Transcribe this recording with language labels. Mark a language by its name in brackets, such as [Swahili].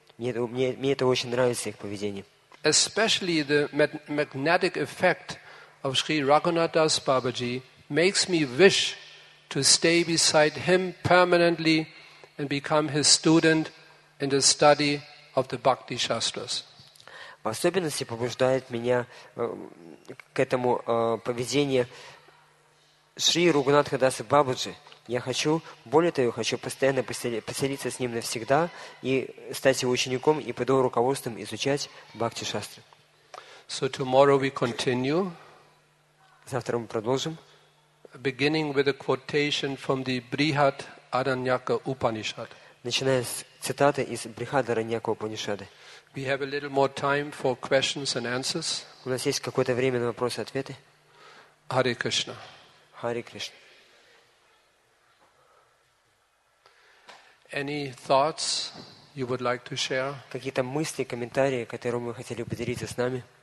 [Russian] Мне это очень нравится, их поведение. [English] Especially the magnetic effect of Sri Raghunath Das Babaji makes me wish to stay beside him permanently and become his student in the study of the Bhakti Shastras. [Russian] В особенности побуждает меня к этому поведение Шри Рагунатха Даса Бабаджи. Я хочу, более того, хочу постоянно поселиться с ним навсегда и стать его учеником и под его руководством изучать Бхакти Шастры. [English] So tomorrow we continue. [Russian] Завтра мы продолжим. [English] Beginning with a quotation from the Brihat Aranyaka Upanishad. [Russian] Начиная с цитаты из Брихат Араньяка Упанишады. [English] We have a little more time for questions and answers. [Russian] У нас есть какое-то время на вопросы и ответы. [English] Hare Krishna. [Russian] Hare Krishna. [English] Any thoughts you would like to share? [Russian] Какие-то мысли, комментарии, которые мы хотели бы поделиться с нами?